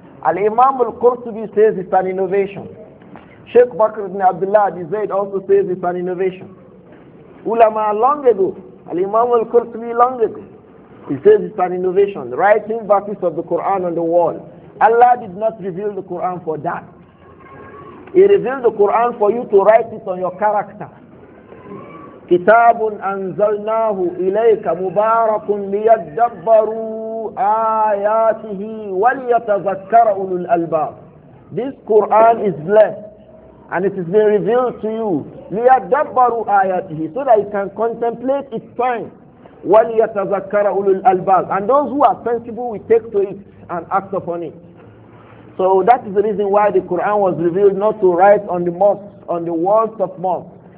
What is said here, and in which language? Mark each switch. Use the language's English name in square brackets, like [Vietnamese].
[English] Al-Imam Al-Qurtubi says it's an innovation. Sheikh Bakr ibn Abdullah Zayd also says it's an innovation. Ulama long ago, Al-Imam Al-Qurtubi long ago, he says it's an innovation. Writing verses of the Quran on the wall. Allah did not reveal the Quran for that. He revealed the Quran for you to write it on your character. [Arabic] كتاب أنزلناه إليك مبارك ليدبروا آياته وليتذكر أولو الألباب. [English] This Quran is blessed and it has been revealed to you. [Arabic] ليدبروا آياته, [English] so that you can contemplate its sign. [Arabic] وليتذكر أولو الألباب, [English] and those who are sensible will take to it and act upon it. So that is the reason why the Quran was revealed, not to write on the mosques, on the walls of mosques.